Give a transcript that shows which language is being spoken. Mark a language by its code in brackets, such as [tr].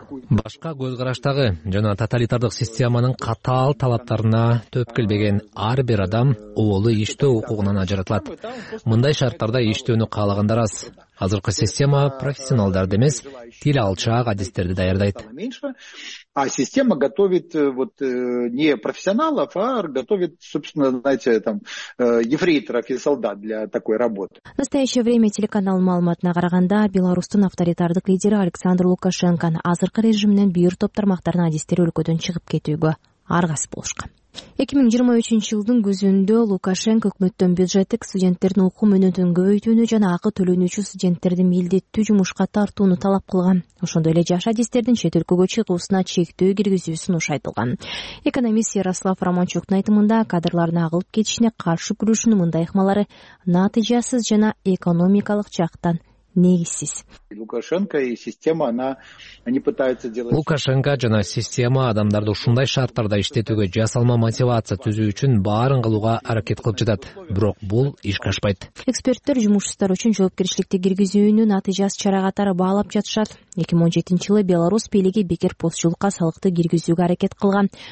[ky] башка көз караштагы жана тоталитардык системанын катаал талаптарына төп келбеген ар бир адам оолу иштөө укугунан ажыратылат. Мындай шарттарда иштөөнү каалагандар аз. Азыркы система профессионалдарды эмес, тил алчаак адистерди даярдайт. [ru] А система готовит вот не профессионалов, а готовит, собственно, знаете, там ефрейторов и солдат для такой работы. В настоящее время [ky] телеканал маалыматына караганда Беларусьтун авторитардык лидери Александр Лукашенконун азыркы режимден бир топ тармактардын адистери өлкөдөн чыгып кетүүгө аргасы болушкан. 2023-жылдын күзүндө Лукашенко өкмөттөн бюджеттик студенттердин окуу мөөнөтүн көбөйтүүнү жана акы төлөнүүчү студенттерди милдеттүү жумушка тартууну талап кылган. Ошондой эле жаш адистердин чет өлкөгө чыгуусуна чектөө киргизүү сунуш айтылган. Экономист Ярослав Романчуктун айтымында кадрларын агылып кетишине каршы күрөшүүнүн мындай ыкмалары натыйжасыз жана экономикалык жактан негизсиз. [ru] Лукашенко и система, они пытаются делать. [ky] Лукашенко жана система адамдарды ушундай шарттарда иштетүүгө жасалма мотивация түзүү үчүн баарын кылууга аракет кылып жатат. Бирок бул иш кашпайт. Эксперттер жумушсуздар үчүн жоопкерчиликти киргизүүнү натыйжасыз чара катары баалап жатышат. 2017-жылы Беларусь бийлиги бекер постчулукка салыкты киргизүүгө аракет кылган.